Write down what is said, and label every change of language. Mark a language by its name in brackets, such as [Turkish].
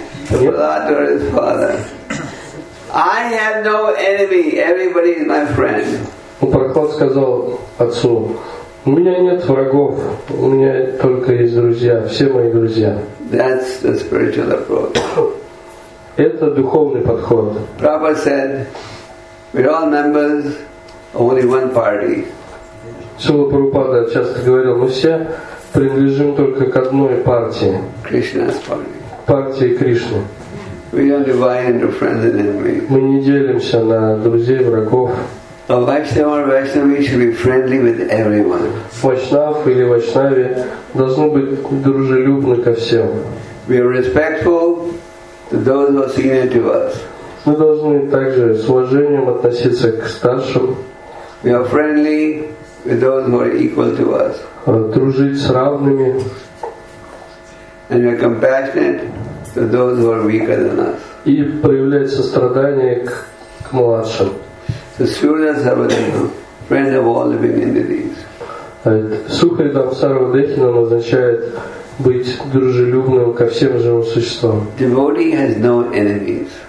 [English] I have no enemy. Everybody is my friend. [Russian] Прохлад сказал отцу: у меня нет врагов, у меня только есть друзья, все мои друзья. [English] That's the spiritual approach. [Russian] Это духовный подход. [English] Prabhupada said, we're all members of only one party. [Russian] Сила Прабхупада часто говорил: мы все принадлежим только к одной партии. [English] Krishna's party. [Russian] Партии Кришны. [English] We don't divide into friends and enemies. [Russian] Мы не делимся на друзей, врагов. [English] A Vaishnava or Vaishnavi should be friendly with everyone. [Russian] Вайшнав или Вайшнави должны быть дружелюбны ко всем. [English] We are respectful to those who are senior to us. [Russian] Мы должны также с уважением относиться к старшим. [English] We are friendly with those who are equal to us. [Russian] Дружить с равными. [English] And we are compassionate to those who are weaker than us. [Russian] И проявлять сострадание к младшим. [English] So Surya Sarvadehina, friend of all living entities. [Russian] Сухрида Сарвадехина означает быть дружелюбным ко всем живым существам. [English] Devotee has no enemies.